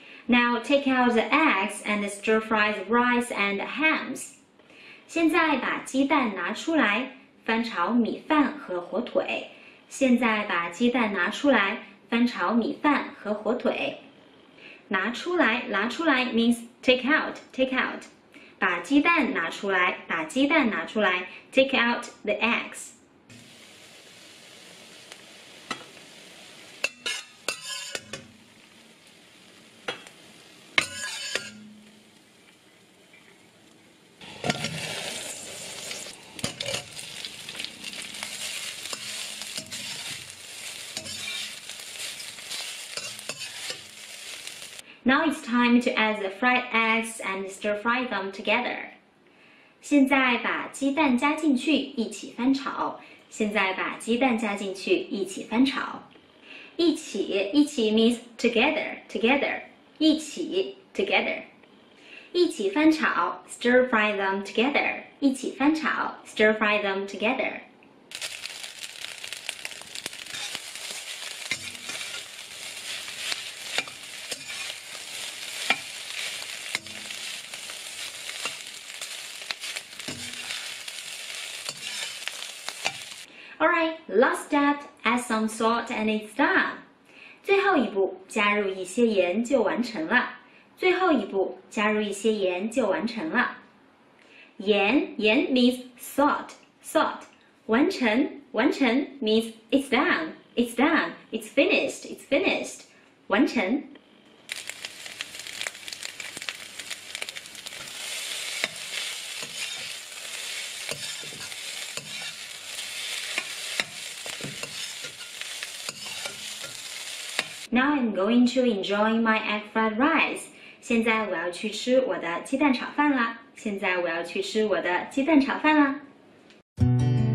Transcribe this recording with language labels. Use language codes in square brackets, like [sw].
[en] Now take out the eggs and stir fry the rice and hams. [zh] 现在把鸡蛋拿出来，翻炒米饭和火腿。现在把鸡蛋拿出来，翻炒米饭和火腿。拿出来，拿出来 [en] means take out, take out. [zh] 把鸡蛋拿出来，把鸡蛋拿出来 [en] take out the eggs. Now it's time to add the fried eggs and stir fry them together. [zh] 现在把鸡蛋加进去一起翻炒。现在把鸡蛋加进去一起翻炒。一起，一起 [en] means together, together. [zh] 一起 [en] together. [zh] 一起翻炒 [en] stir fry them together. 一起翻炒 stir fry them together. Alright, last step, add some salt and it's done. [zh] 最后一步，加入一些盐就完成了。最后一步，加入一些盐就完成了。盐，盐 [en] means salt, salt. [zh] 完成，完成 [en] means it's done, it's done, it's finished, it's finished. [zh] 完成。 [en] Now I'm going to enjoy my egg fried rice. [zh] 现在我要去吃我的鸡蛋炒饭了。现在我要去吃我的鸡蛋炒饭了。